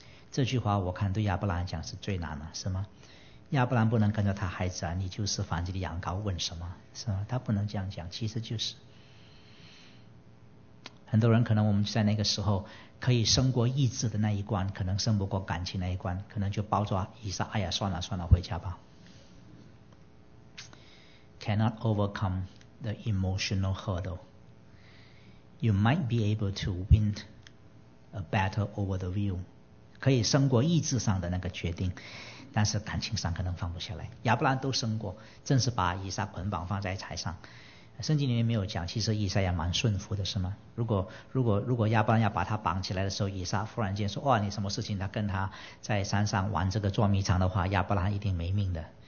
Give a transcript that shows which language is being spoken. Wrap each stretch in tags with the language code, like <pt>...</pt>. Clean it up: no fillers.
<zh>这句话我看对亚伯兰讲是最难的，是吗？亚伯兰不能跟着他孩子啊，你就是燔祭的羊羔，问什么？是吗？他不能这样讲，其实就是。很多人可能我们在那个时候可以胜过意志的那一关，可能胜不过感情那一关，可能就抱着以撒，哎呀，算了算了，回家吧。</zh> <en>Cannot overcome the emotional hurdle. You might be able to win a battle over the will.</en> <zh>可以胜过意志上的那个决定，但是感情上可能放不下来。亚伯兰都胜过，正是把以撒捆绑放在柴上。圣经里面没有讲，其实以撒也蛮顺服的，是吗？如果亚伯兰要把他绑起来的时候，以撒忽然间说：“哇，你什么事情？”他跟他在山上玩这个捉迷藏的话，亚伯兰一定没命的。</zh>